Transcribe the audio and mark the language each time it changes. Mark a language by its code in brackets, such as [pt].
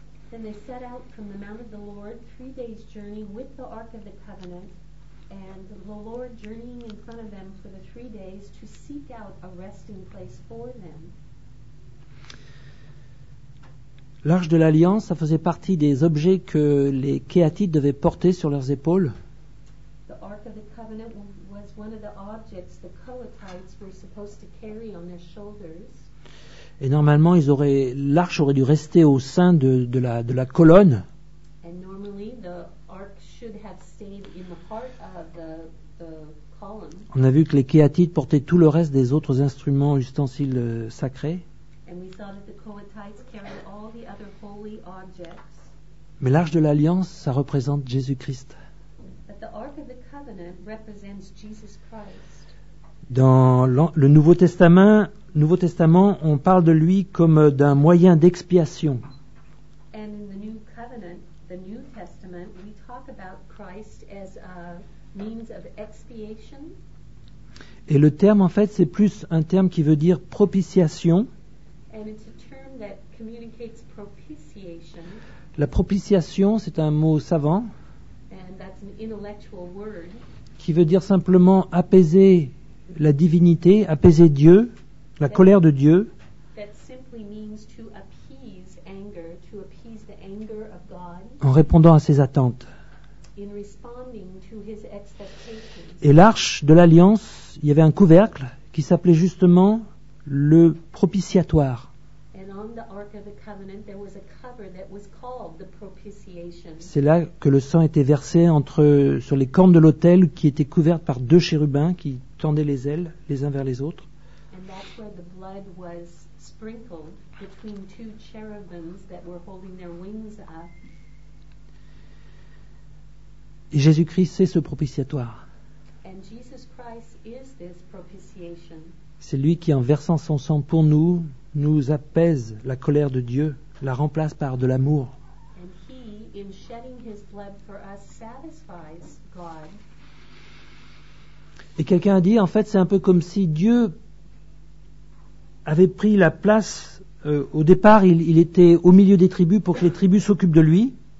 [en] Then they set out from the mount of the Lord, 3 days' journey with the Ark of the Covenant. And the Lord journeying in front of them for the 3 days to seek out a resting place for them. [fr] L'arche de l'Alliance, ça faisait partie des objets que les Kéatites devaient porter sur leurs épaules. [en] The Ark of the Covenant was one of the objects the Kohathites were supposed to carry on their shoulders. [fr] Et normalement, l'arche aurait dû rester au sein de la colonne. [en] And normally the ark should have stayed in the heart of the column. [fr] On a vu que les Kéatites portaient tout le reste des autres instruments, ustensiles sacrés. [en] And we saw that the Kohathites carried all the other holy objects. [fr] Mais l'arche de l'Alliance, ça représente Jésus-Christ. [en] But the Ark of the Covenant represents Jesus Christ. [fr] Dans le Nouveau Testament, on parle de lui comme d'un moyen d'expiation. [en] And in the New Covenant, the New Testament, we talk about Christ as a means of expiation. [fr] Et le terme, en fait, c'est plus un terme qui veut dire propitiation. [en] And it's a term that communicates propitiation. [fr] La propitiation, c'est un mot savant. [en] And that's an intellectual word. [fr] Qui veut dire simplement apaiser la divinité, apaiser Dieu, la colère de Dieu. [en] That simply means to appease anger, to appease the anger of [fr] en répondant à ses attentes. [en] In responding to his expectations. [fr] Et l'arche de l'Alliance, il y avait un couvercle qui s'appelait justement le propitiatoire. [en] And on the Ark of the Covenant, there was a cover that was called the propitiation. [fr] C'est là que le sang était versé sur les cornes de l'autel qui étaient couvertes par 2 chérubins qui tendaient les ailes les uns vers les autres. [en] And that's where the blood was sprinkled between 2 cherubims that were holding their wings up. [fr] Et Jésus-Christ, c'est ce propitiatoire. [en] And Jesus Christ is this propitiation. [fr] C'est lui qui, en versant son sang pour nous, nous apaise la colère de Dieu, la remplace par de l'amour. [en] And he, in shedding his blood for us, satisfies God. [fr] Et quelqu'un a dit, en fait, c'est un peu comme si Dieu avait pris la place, au départ, il était au milieu des tribus pour que les tribus s'occupent de lui.